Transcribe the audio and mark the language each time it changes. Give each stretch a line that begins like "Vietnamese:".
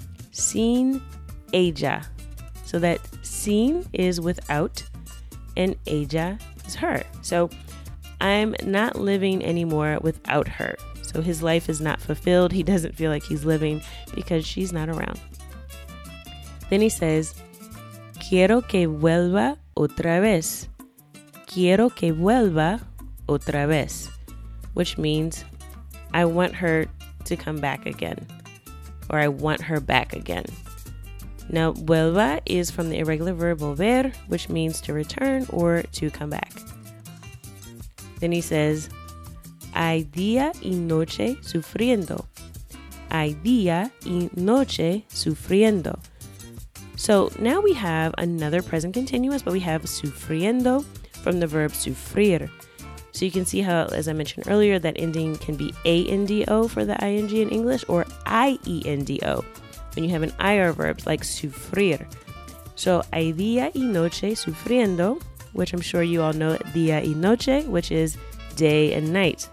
Spanish: Sin ella.
English: So that sin is without and ella is her. So I'm not living anymore without her. So his life is not fulfilled. He doesn't feel like he's living because she's not around. Then he says,
Spanish: quiero que vuelva otra vez. Quiero que vuelva otra vez.
English: Which means I want her to come back again, or I want her back again. Now, vuelva is from the irregular verb volver, which means to return or to come back. Then he says,
Spanish: hay día y noche sufriendo. Hay día y noche sufriendo.
English: So now we have another present continuous, but we have sufriendo from the verb sufrir. So you can see how, as I mentioned earlier, that ending can be A-N-D-O for the I-N-G in English, or I-E-N-D-O. when you have an IR verb like sufrir. So
Spanish: hay día y noche sufriendo,
English: which I'm sure you all know, día y noche, which is day and night.